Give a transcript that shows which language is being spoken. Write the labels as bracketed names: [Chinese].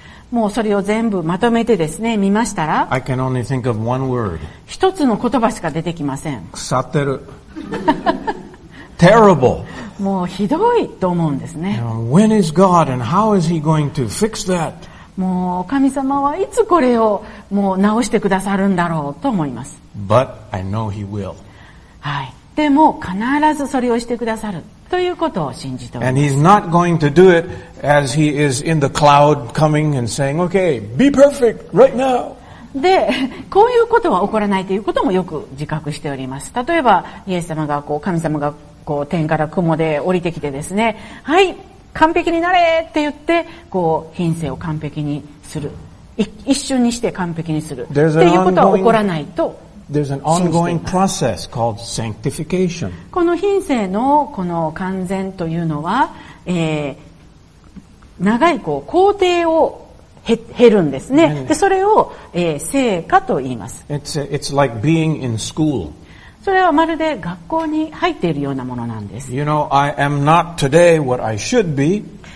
[Japanese] もうそれを全部まとめてですね、見ましたら、 [English] I can only think of one word. [Japanese] 一つの言葉しか出てきません。腐ってる。 [English] Terrible. [Japanese] もうひどいと思うんですね。 [English] When is God and how is He going to fix that? [Japanese] もう神様はいつこれをもう直してくださるんだろうと思います。 [English] But I know He will. [Japanese] はい。でも必ずそれをしてくださるということを信じております。 [English] And He's not going to do it as He is in the cloud coming and saying, "Okay, be perfect right now." [Japanese] で、こういうことは起こらないということもよく自覚しております。例えば、イエス様がこう、神様がこう、天から雲で降りてきてですね、はい、完璧になれって言って、こう、品性を完璧にする。一瞬にして完璧にする。っていうことは起こらないと。 [English] There's an ongoing process called sanctification. [Japanese] この品性のこの完全というのは、長いこう、工程を減るんですね。で、それを、成果と言います。 [English] It's like being in school. [Japanese] そそれはまるで学校に入っているようなものなんです。 [English] You know, I am not today what I should be.